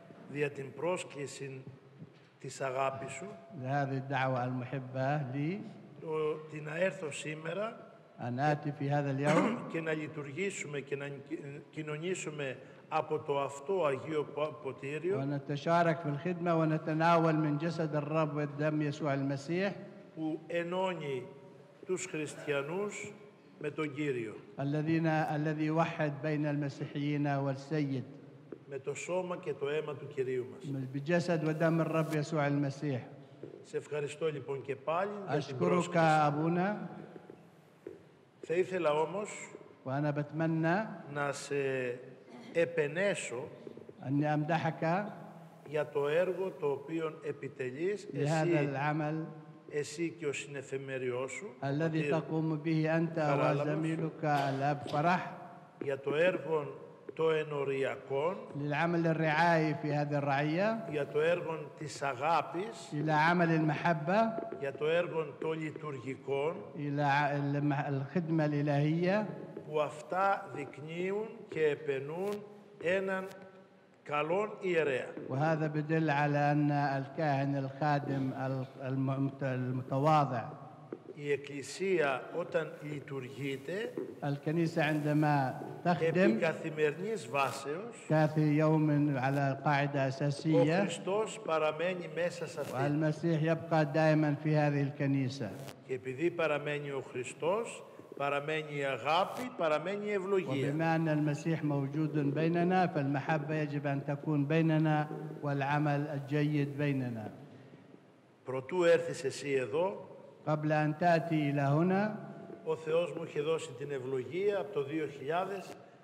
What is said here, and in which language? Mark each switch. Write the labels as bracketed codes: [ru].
[el] Δια την πρόσκληση της αγάπης σου. [ar] لهذه الدعوة المحبة لي. [el] Ότι να έρθω σήμερα. [ar] أن آتي في هذا اليوم. [el] Και να λειτουργήσουμε και να κοινωνήσουμε από το αυτό Αγίο Ποτήριο. [ar] ونتشارك في الخدمة ونتناول من جسد الرب والدم يسوع المسيح. [el] Που ενώνει τους χριστιανούς με τον Κύριο. [ar] الذي يوحد بين المسيحيين والسيد. [el] Με το σώμα και το αίμα του Κυρίου μας. Με το [ar] جسد ودم الرب يسوع المسيح. [el] Σε ευχαριστώ λοιπόν και πάλι. [ar] أشكرك أبونا. [el] Θα ήθελα όμως. [ar] وأنا بتمنى. [el] Να σε επενέσω. [ar] أني أمدحك. [el] Για το έργο το οποίο επιτελείς. Για [ar] هذا العمل. [el] Εσύ και ο συνεφημεριός σου. [ar] الذي تقوم به أنت وزميلك الأب فرح. [el] Για το έργο το ενοριακόν, [ar] للعمل الرعائي في هذه الرعية, [el] για το έργο της αγάπης, [ar] إلى عمل المحبة, [el] για το έργο το λειτουργικόν, [ar] إلى الخدمة الإلهية, [el] που αυτά δεικνύουν και επενούν έναν καλόν ιερέα. [ar] وهذا بدل على أن الكاهن الخادم المتواضع. [el] Η Εκκλησία όταν λειτουργείται, [ar] الكنيسة عندما تخدم [el] καθημερινής βάσεως, [ar] كاثي يوم على قاعدة أساسية, [el] ο Χριστός παραμένει μέσα σε αυτή. [ar] والمسيح يبقى دائما في هذه الكنيسة. [el] Και επειδή παραμένει ο Χριστός, παραμένει η αγάπη, παραμένει η ευλογία. [ar] وبما أن المسيح موجود بيننا, فالمحبة يجب أن تكون بيننا والعمل الجيد بيننا. [el] Προτού έρθεις εσύ εδώ, [ar] قبل أن تأتي إلى هنا, [el] ο Θεός μου είχε δώσει την ευλογία από το 2000